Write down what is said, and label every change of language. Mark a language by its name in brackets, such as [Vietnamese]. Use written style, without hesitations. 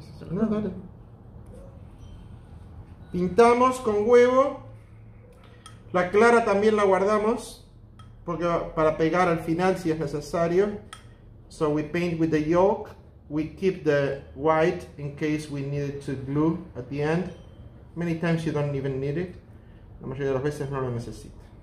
[Spanish] No, dale. Pintamos con huevo. La clara también la guardamos porque para pegar al final si es necesario. [English] So we paint with the yolk. We keep the white in case we need it to glue at the end. Many times you don't even need it. [Spanish] La mayoría de las veces no lo necesita.